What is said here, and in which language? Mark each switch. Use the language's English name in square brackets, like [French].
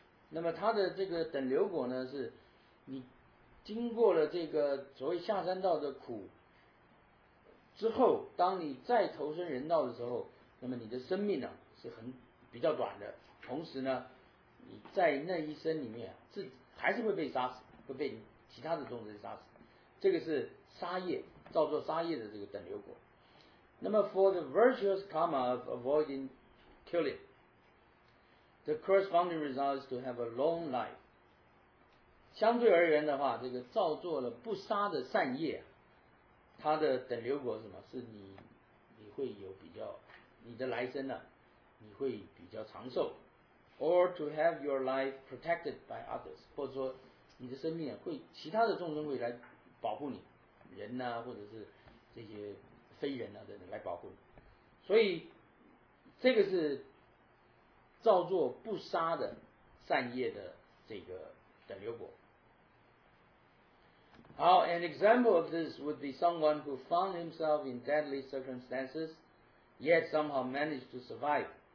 [Chinese] 那么它的这个等流果呢，是你经过了这个所谓下三道的苦之后，当你再投身人道的时候，那么你的生命呢、啊、是很比较短的，同时呢，你在那一生里面是还是会被杀死，会被其他的众生杀死。这个是杀业，造作杀业的这个等流果。那么 [English] for the virtuous karma of avoiding killing, the corresponding result is to have a long life. [Chinese] 相对而言的话，这个造作了不杀的善业，它的等流果是什么？是你会有比较，你的来生呢、啊，你会比较长寿。 [English] Or to have your life protected by others, [Chinese] 或者说你的生命会其他的众生会来保护你，人呢、啊，或者是这些非人啊等等来保护你。所以这个是造作不杀的善业的这个等流果。 [English] 好 ，an example of this would be someone who found himself in deadly circumstances, yet somehow managed to survive.